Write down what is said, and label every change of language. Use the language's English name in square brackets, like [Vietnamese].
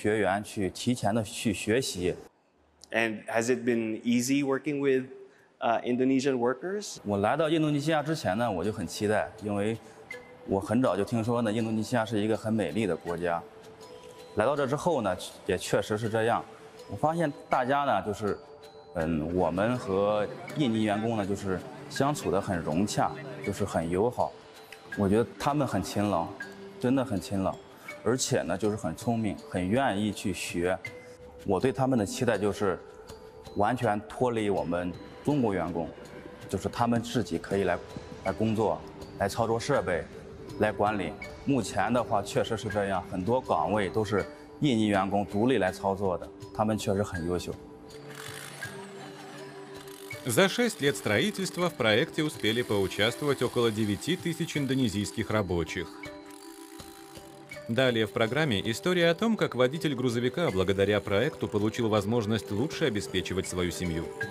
[English] And has it been easy working with Indonesian workers? [Chinese] 我来到印度尼西亚之前呢，我就很期待，因为我很早就听说呢，印度尼西亚是一个很美丽的国家。来到这之后呢，也确实是这样。我发现大家呢，就是，我们和印尼员工呢，就是相处得很融洽，就是很友好。我觉得他们很勤劳，真的很勤劳，而且呢，就是很聪明，很愿意去学。我对他们的期待就是完全脱离我们中国员工，就是他们自己可以来工作，来操作设备，来管理。目前的话确实是这样，很多岗位都是印尼员工独立来操作的，他们确实很优秀。 [Russian] За 6 лет строительства в проекте успели поучаствовать около 9000 индонезийских рабочих. Далее в программе история о том, как водитель грузовика благодаря проекту получил возможность лучше обеспечивать свою семью.